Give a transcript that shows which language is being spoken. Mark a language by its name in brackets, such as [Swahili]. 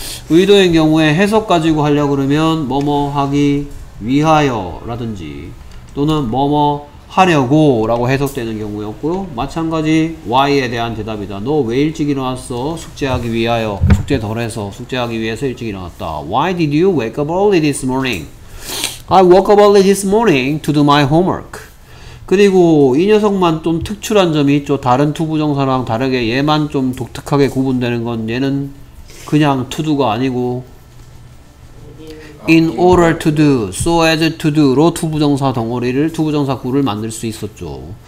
[Korean] 의도인 경우에 해석 가지고 하려고 그러면 뭐뭐 하기 위하여 라든지 또는 뭐뭐 하려고 라고 해석되는 경우였고요. 마찬가지 Y에 대한 대답이다. 너 왜 일찍 일어났어? 숙제하기 위하여. 숙제 덜 해서. 숙제하기 위해서 일찍 일어났다. [English] Why did you wake up early this morning? I woke up early this morning to do my homework. [Korean] 그리고 이 녀석만 좀 특출한 점이 있죠. 다른 투부정사랑 다르게 얘만 좀 독특하게 구분되는 건 얘는 그냥 [English] to do [Korean] 가 아니고 [English] in order to do, [Korean] so as to do로 투부정사 덩어리를, 투부정사 구를 만들 수 있었죠.